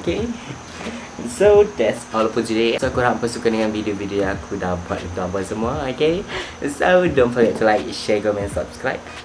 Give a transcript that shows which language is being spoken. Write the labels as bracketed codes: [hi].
[en] Okay, so that's all for today. [ms] So aku harap suka dengan video-video yang aku dah buat untuk apa semua. [en] Okay, so don't forget to like, share, comment, subscribe.